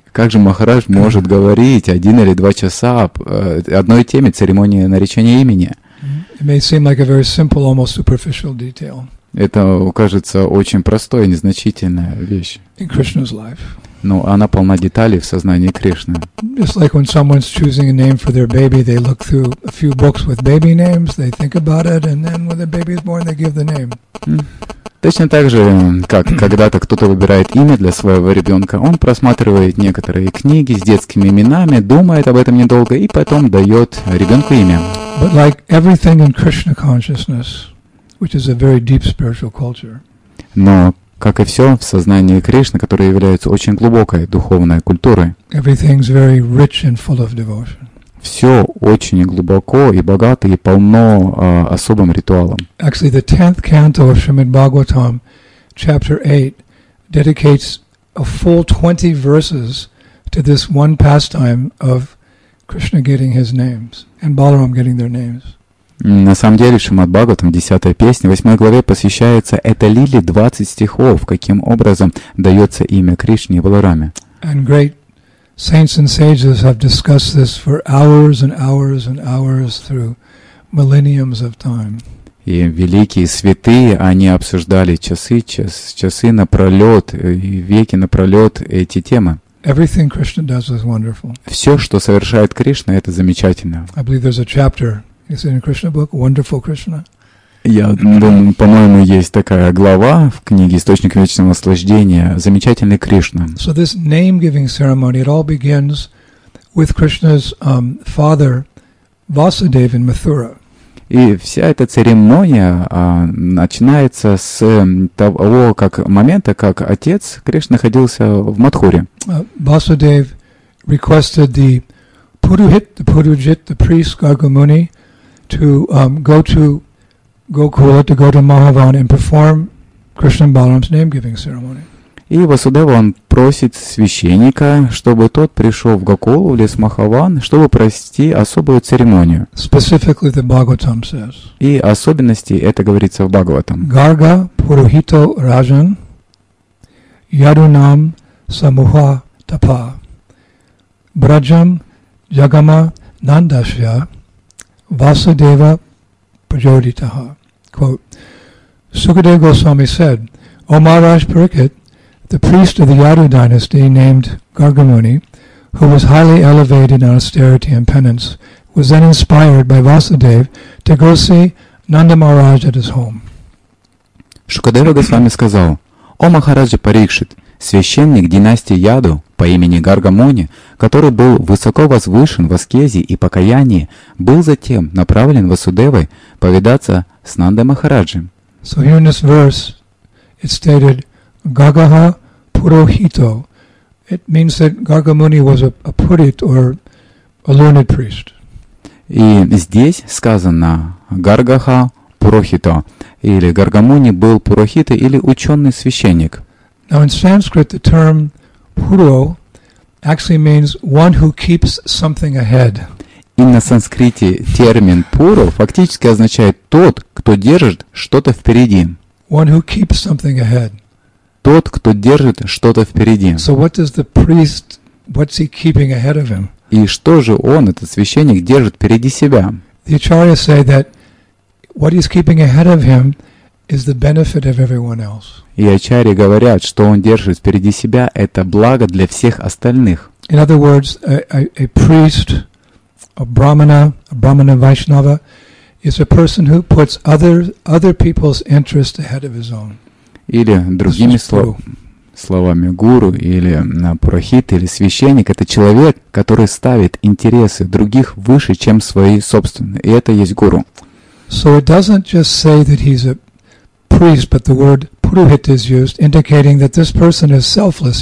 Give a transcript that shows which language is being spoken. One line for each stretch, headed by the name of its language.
Russian: Как же Махарадж может говорить 1 или 2 часа об одной теме церемонии наречения имени?
English: It may seem like a very simple, almost superficial detail.
Russian: Это кажется очень простой, незначительная вещь.
English: In Krishna's life.
Russian: Но она полна деталей в сознании Кришны.
English: Just like when someone's choosing a name for their baby, they look through a few books with baby names, they think about it, and then when the baby is born, they give the name.
Russian: Точно так же, как когда-то кто-то выбирает имя для своего ребенка, он просматривает некоторые книги с детскими именами, думает об этом недолго и потом дает ребенку имя.
English: But like everything in Krishna consciousness, which is a very deep spiritual culture.
Russian: Но как и все в сознании Кришны, которое является очень глубокой духовной культурой.
English: Everything's very rich and full of devotion.
Russian: Все очень глубоко и богато и полно особым ритуалом.
English: Actually, the 10th canto of Srimad Bhagavatam, chapter 8, dedicates a full 20 verses to this one pastime of Krishna getting his names and Balaram getting their names.
Russian: На самом деле, Шримад Бхагаватам, 10 песня, 8 главе посвящается этой лиле 20 стихов, каким образом дается имя Кришне и Баларами.
English: And great saints and sages have discussed this for hours and hours and hours through millenniums of time.
Russian: И великие святые, они обсуждали часы напролет, веки напролет эти темы.
English: Everything Krishna does is wonderful.
Russian: Все, что совершает Кришна, это замечательно.
English: I believe there's a chapter, is it in a Krishna book, Wonderful Krishna?
Russian: Я думаю, по-моему, есть такая глава в книге «Источник вечного наслаждения» «Замечательный Кришна».
English: So this name-giving ceremony, it all begins with Krishna's father Vasudeva in Mathura.
Russian: И вся эта церемония начинается с того, как момента, как отец Кришны находился в Матхуре.
English: Vasudeva requested the Puruhit, the Purujit, the priest Gargamuni to go to Gokula, to go to Madhavan and perform Krishna Balaram's name-giving ceremony.
Russian: И Васудева, он просит священника, чтобы тот пришел в Гокулу, в лес Махаван, чтобы провести особую церемонию.
English: Specifically, the Bhagavatam says.
Russian: И особенности, это говорится в Бхагаватам.
Sanskrit: Гарга Пурухито Ражан Ядунам Самуха Тапа Браджам Ягама Нандашья Васудева Prajoditaha.
English: Quote, Sukadeva Goswami said, O Maharaj Parikit, the priest of the Yadu dynasty named Gargamuni, who was highly elevated in austerity and penance, was then inspired by Vasudeva to go see Nanda Maharaj at his home.
Russian: Шукадева Госвами сказал: «О Махараджа Парикшит, священник династии Яду по имени Гаргамуни, который был высоко возвышен в аскезе и покаянии, был затем направлен Васудевой повидаться с Нандой Махараджем».
English: So here in this verse, it stated, Gagaha Purohito. It means that Gargamuni was a purit or a learned priest.
Russian: И здесь сказано Гаргаха Пурохито, или Гаргамуни был Пурохито, или ученый священник.
English: Now in Sanskrit, the term Puro actually means one who keeps something ahead.
Russian: И на санскрите термин Puro фактически означает тот, кто держит что-то впереди.
English: One who keeps something ahead.
Russian: Тот, кто держит что-то впереди.
English: So what does the priest, what's he keeping ahead of him?
Russian: И что же он, этот священник, держит впереди себя?
English: The acharyas say that what he's keeping ahead of him is the benefit of everyone else.
Russian: И ачарьи говорят, что он держит впереди себя, это благо для всех остальных.
English: In other words, a priest, a brahmana vaishnava, is a person who puts other people's interests ahead of his own.
Russian: Или другими словами, гуру или пурохит или священник — это человек, который ставит интересы других выше, чем свои собственные. И это есть гуру.
English: So it doesn't just say that he's a priest, but the word purohit is used, indicating that this person is selfless.